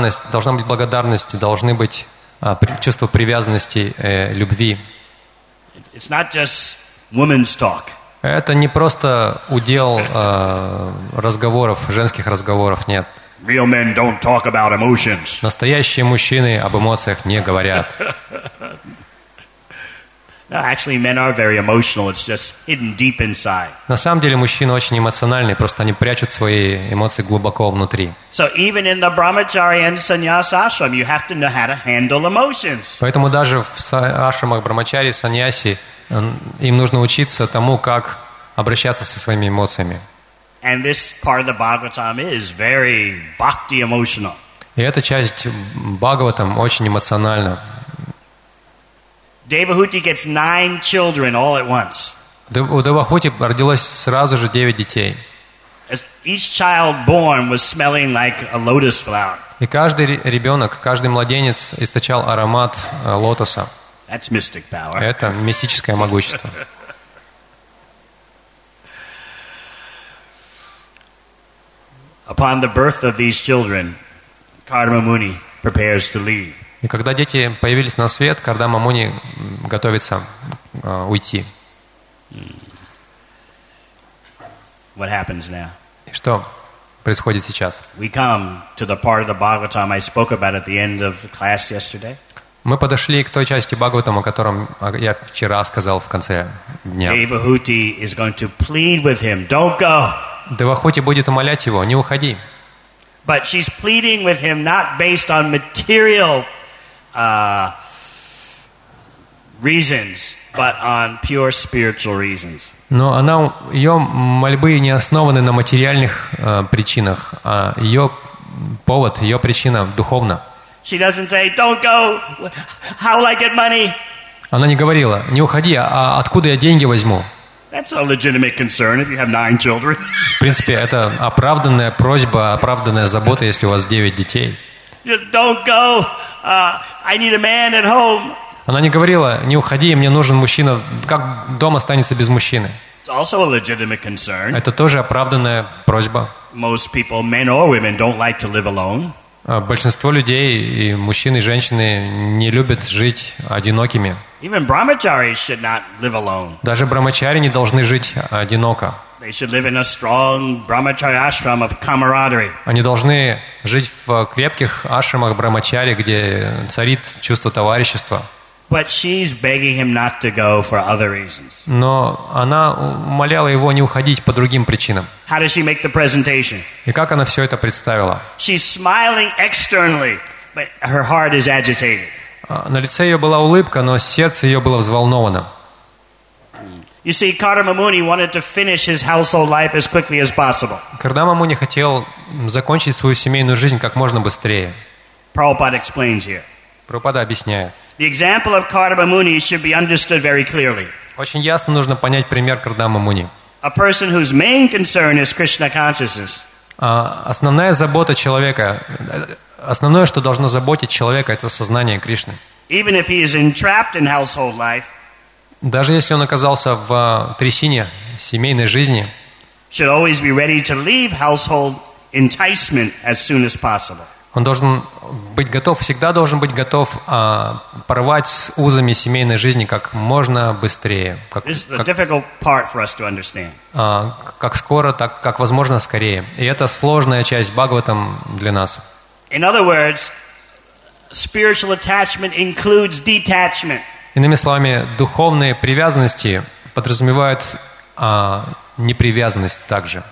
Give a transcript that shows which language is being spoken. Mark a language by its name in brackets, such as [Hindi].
[Russian] Должна быть благодарность, должны быть чувство привязанности, любви. [English] It's not just women's talk. [Russian] Это не просто удел разговоров, женских разговоров, нет. [English] Real men don't talk about emotions. [Russian] Настоящие мужчины об эмоциях не говорят. [English] No, actually, men are very emotional. It's just hidden deep inside. [Russian] На самом деле, мужчины очень эмоциональные, просто они прячут свои эмоции глубоко внутри. [English] So even in the brahmachari and sannyas ashram, you have to know how to handle emotions. [Russian] Поэтому даже в ашрамах брахмачари, саньяси, им нужно учиться тому, как обращаться со своими эмоциями. [English] And this part of the Bhagavatam is very bhakti emotional. [Russian] И эта часть Бхагаватам очень эмоциональна. [English] Devahuti gets 9 children all at once. [Russian] У Девахути родилось сразу же 9 детей. [English] Each child born was smelling like a lotus flower. [Russian] И каждый ребенок, каждый младенец источал аромат лотоса. [English] That's mystic power. [Russian] Это мистическое могущество. [English] Upon the birth of these children, Kardama Muni prepares to leave. [Russian] И когда дети появились на свет, Кардама Муни готовится уйти. [English] What happens now? [Russian] И что происходит сейчас? [English] We come to the part of the Bhagavatam I spoke about at the end of the class yesterday. [Russian] Мы подошли к той части Бхагаватам, о котором я вчера сказал в конце дня. [English] Devahuti is going to plead with him. Don't go. [Russian] Девахути будет умолять его: не уходи. [English] But she's pleading with him not based on material reasons, but on pure spiritual reasons. [Russian] Но она, ее мольбы не основаны на материальных причинах, а ее повод, ее причина духовна. [English] She doesn't say, "Don't go. How will I get money?" [Russian] Она не говорила: "Не уходи, а откуда я деньги возьму?" [English] That's a legitimate concern if you have 9 children. [Russian] В принципе, это оправданная просьба, оправданная забота, если у вас 9 детей. [English] Just don't go. I need a man at home. [Russian] Она не говорила: не уходи, мне нужен мужчина. Как дом останется без мужчины? [English] It's also a legitimate concern. [Russian] Это тоже оправданная просьба. просьба. [English] Most people, men or women, don't like to live alone. [Russian] Большинство людей, и мужчины, и женщины, не любят жить одинокими. [English] Even brahmacharis should not live alone. [Russian] Даже брахмачари не должны жить одиноко. [English] They should live in a strong brahmachari ashram of camaraderie. [Russian] Они должны жить в крепких ашрамах брахмачари, где царит чувство товарищества. [English] But she's begging him not to go for other reasons. [Russian] Но она умоляла его не уходить по другим причинам. [English] How does she make the presentation? [Russian] И как она все это представила? [English] She's smiling externally, but her heart is agitated. [Russian] На лице ее была улыбка, но сердце ее было взволновано. [English] You see, Kardama Muni wanted to finish his household life as quickly as possible. [Russian] Кардама Муни хотел закончить свою семейную жизнь как можно быстрее. [English] Prabhupada explains here. [Russian] Прабхупада объясняет. [English] The example of Kardama Muni should be understood very clearly. [Russian] Очень ясно нужно понять пример Кардама Муни. [English] A person whose main concern is Krishna consciousness. [Russian] Основная забота человека, основное, что должно заботить человека, это сознание Кришны. [English] Even if he is entrapped in household life. [Russian] Даже если он оказался в трясине семейной жизни, [English] should always be ready to leave household enticement as soon as possible. [Russian] Он должен быть готов, всегда должен быть готов порвать с узами семейной жизни как можно быстрее. [English] This is a difficult part for us to understand. [Russian] Как скоро, так как возможно скорее. И это сложная часть Бхагаватам для нас. [English] In other words, spiritual attachment includes detachment. [Russian] Иными словами, духовные привязанности подразумевают непривязанность также.